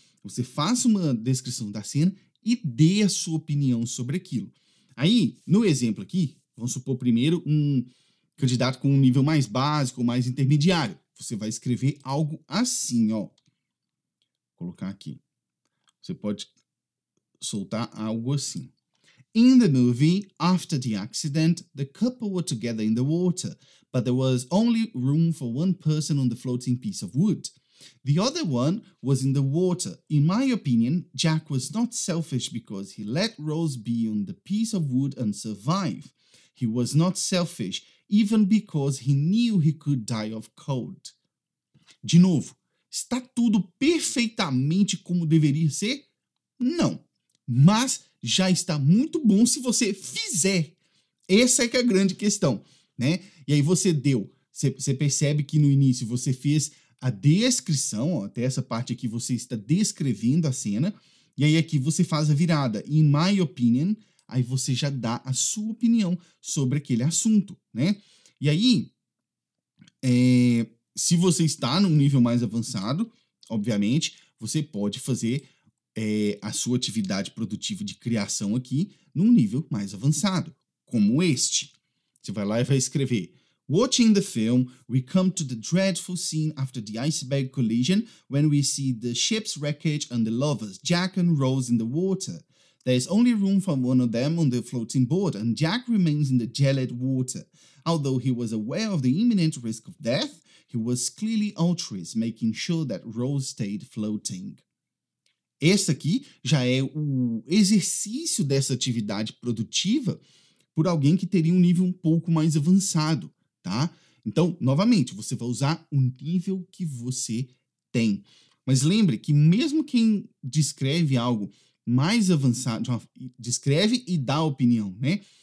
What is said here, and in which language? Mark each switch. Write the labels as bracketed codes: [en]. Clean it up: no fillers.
[pt] Você faça uma descrição da cena e dê a sua opinião sobre aquilo. Aí, no exemplo aqui, vamos supor primeiro um candidato com um nível mais básico, mais intermediário. Você vai escrever algo assim, ó. Vou colocar aqui. Você pode soltar algo assim. [en] In the movie, after the accident, the couple were together in the water, but there was only room for one person on the floating piece of wood. The other one was in the water. In my opinion, Jack was not selfish because he let Rose be on the piece of wood and survive. He was not selfish, even because he knew he could die of cold. [pt] De novo, Está tudo perfeitamente como deveria ser? Não. Mas já está muito bom se você fizer. Essa é que é a grande questão, né? E aí você deu. Você percebe que no início você fez a descrição, ó, até essa parte aqui você está descrevendo a cena. E aí aqui você faz a virada. [en] In my opinion, [pt] aí você já dá a sua opinião sobre aquele assunto, né? E aí, se você está num nível mais avançado, obviamente, você pode fazer a sua atividade produtiva de criação aqui num nível mais avançado, como este. Você vai lá e vai escrever. [en] Watching the film, we come to the dreadful scene after the iceberg collision when we see the ship's wreckage and the lovers, Jack and Rose, in the water. There's only room for one of them on the floating board, and Jack remains in the gelid water. Although he was aware of the imminent risk of death, he was clearly altruist, making sure that Rose stayed floating. [pt] Esse aqui já é o exercício dessa atividade produtiva por alguém que teria um nível um pouco mais avançado, tá? Então, novamente, você vai usar o nível que você tem. Mas lembre que mesmo quem descreve algo mais avançado, descreve e dá opinião, né?